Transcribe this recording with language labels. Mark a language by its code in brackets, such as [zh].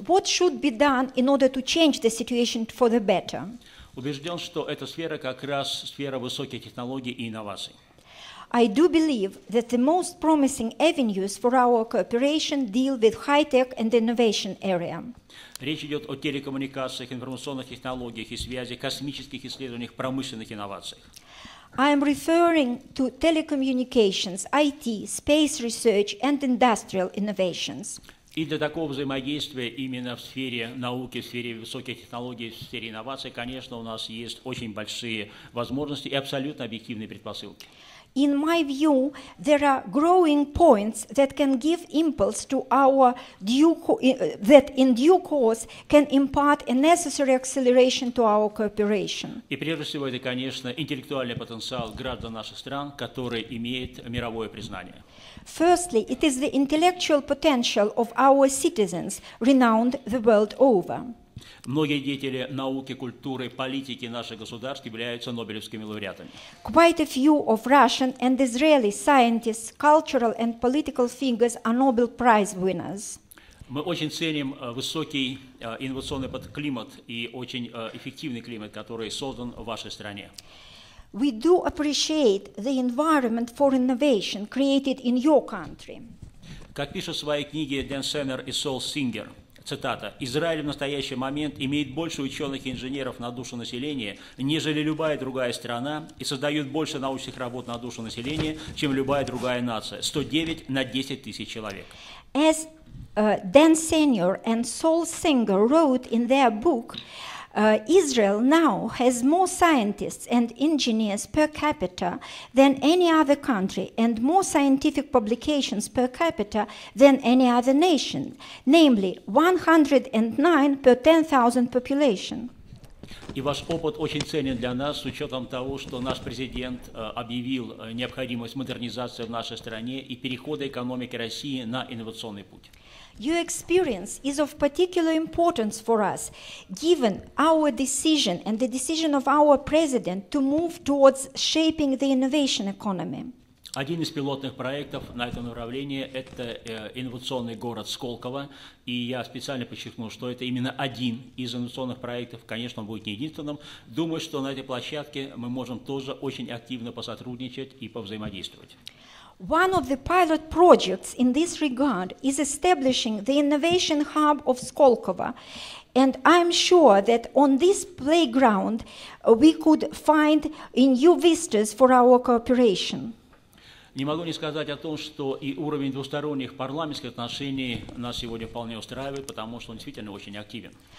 [en] What should be done in order to change the situation for the better? [ru] Убежден, что эта сфера как раз сфера высоких технологий и инноваций. [en] I do believe that the most promising avenues for our cooperation deal with high-tech and innovation area. [ru] Речь идет о телекоммуникациях, информационных технологиях и связи, космических исследованиях, промышленных инновациях. [en] I am referring to telecommunications, IT, space research and industrial innovations. [ru] И для такого взаимодействия именно в сфере науки, в сфере высоких технологий, в сфере инноваций, конечно, у нас есть очень большие возможности и абсолютно объективные предпосылки. [en] In my view, there are growing points that can give impulse to our that in due course can impart a necessary acceleration to our cooperation. [ru] И прежде всего это, конечно, интеллектуальный потенциал граждан наших стран, который имеет мировое признание. [en] Firstly, it is the intellectual potential of our citizens, renowned the world over. [ru] Многие деятели науки, культуры, политики наших государств являются Нобелевскими лауреатами. [en] Quite a few of Russian and Israeli scientists, cultural and political figures are Nobel Prize winners. [ru] Мы очень ценим высокий инновационный климат и очень эффективный климат, который создан в вашей стране. [en] We do appreciate the environment for innovation created in your country. [ru] Как пишут в своей книге Дэн Сеннер и Сол Сингер, Цитата. «Израиль в настоящий момент имеет больше ученых и инженеров на душу населения, нежели любая другая страна, и создает больше научных работ на душу населения, чем любая другая нация. 109 на 10 тысяч человек». [en] As Dan Senior and Saul Singer wrote in their book, Israel now has more scientists and engineers per capita than any other country and more scientific publications per capita than any other nation, namely 109 per 10,000 population. [ru] И ваш опыт очень ценен для нас, с учетом того, что наш президент объявил необходимость модернизации в нашей стране и перехода экономики России на инновационный путь. [en] Your experience is of particular importance for us, given our decision and the decision of our president to move towards shaping the innovation economy. [ru] Один из пилотных проектов на этом направлении – это инновационный город Сколково. И я специально подчеркнул, что это именно один из инновационных проектов. Конечно, он будет не единственным. Думаю, что на этой площадке мы можем тоже очень активно посотрудничать и повзаимодействовать. [en] One of the pilot projects in this regard is establishing the innovation hub of Skolkovo, and I'm sure that on this playground we could find new vistas for our cooperation. [ru] Не могу не сказать о том, что и уровень двусторонних парламентских отношений нас сегодня вполне устраивает, потому что он действительно очень активен.